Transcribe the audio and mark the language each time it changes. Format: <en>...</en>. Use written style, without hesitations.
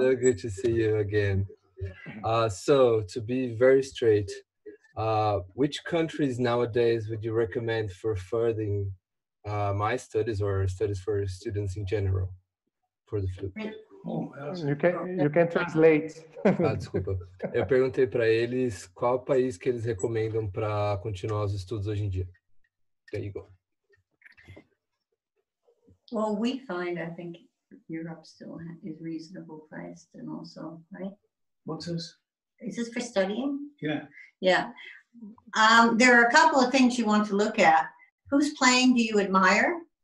<en>So good to see you again. So, to be very straight, which countries nowadays would you recommend for furthering my studies or studies for students in general for the flute? You can translate.</en> <pt>Ah, desculpa. Eu perguntei para eles qual país que eles recomendam para continuar os estudos hoje em dia.</pt> <en>There you go. Well, we find, I think, Europe still is reasonable priced and also, right? What's this? Is this for studying? Yeah. Yeah. There are a couple of things you want to look at. Who's playing do you admire?</en>